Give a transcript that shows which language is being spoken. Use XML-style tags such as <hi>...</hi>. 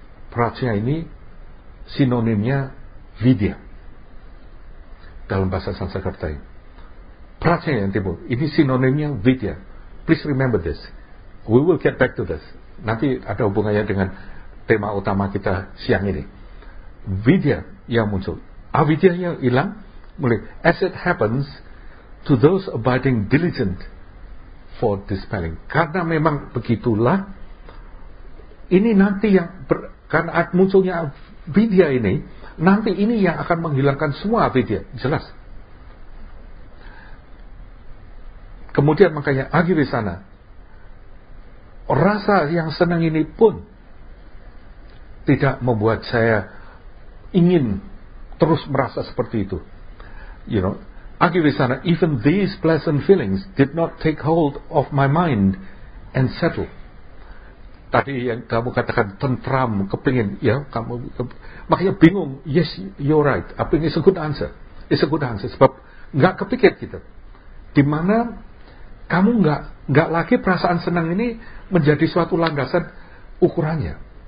<id>Prajna ini sinonimnya vidya dalam bahasa Sanskerta. Prajna yang timbul ini sinonimnya vidya.</id> <en>Please remember this. We will get back to this.</en> <id>Nanti ada hubungannya dengan tema utama kita siang ini. Vidya yang muncul, avidya yang hilang.</id> <en>Mulai, as it happens to those abiding diligent for dispelling.</en> <id>Karena memang begitulah. Ini nanti yang karena munculnya avidya ini, nanti ini yang akan menghilangkan semua avidya, jelas. Kemudian makanya Agivesana, rasa yang senang ini pun tidak membuat saya ingin terus merasa seperti itu.</id> <en>You know, Agivesana, even these pleasant feelings did not take hold of my mind and settle.</en> <id>Tadi yang kamu katakan tentram, kepingin, ya, kamu makanya bingung.</id> <en>Yes, you're right.</en> <id>Apa ini?</id> <en>It's a good answer. It's a good answer.</en> <id>Sebab enggak kepikir kita. Di mana kamu enggak lagi perasaan senang ini menjadi suatu landasan ukurannya.</id>